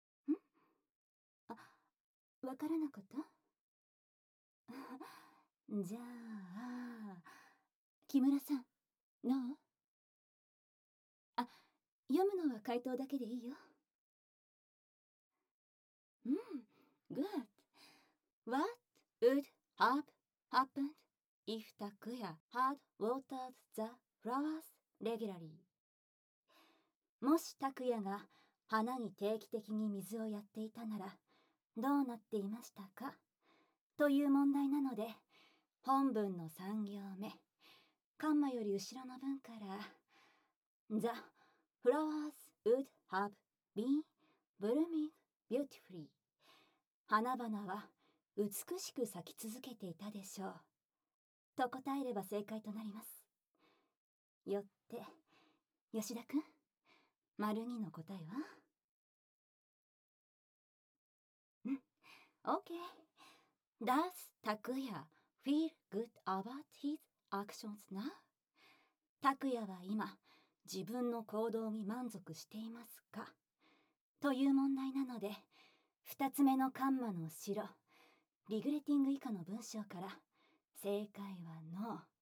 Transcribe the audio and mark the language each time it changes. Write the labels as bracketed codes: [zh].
[ja] わからなかった？じゃあ、木村さん、どう？あ、読むのは回答だけでいいよ。 [en] Good. What would have happened if Takuya had watered the flowers regularly? [ja] もし Takuya が花に定期的に水をやっていたなら、どうなっていましたかという問題なので、本文の三行目、カンマより後ろの文から、 [en] The flowers would have been blooming beautifully. [ja] 花々は美しく咲き続けていたでしょう。と答えれば正解となります。よって、吉田くん、丸二の答えは？ [en] Okay. Does Takuya feel good about his actions now? [ja] Takuya は今、自分の行動に満足していますか？という問題なので、二つ目のカンマの後ろ、リグレティング以下の文章から、正解は No。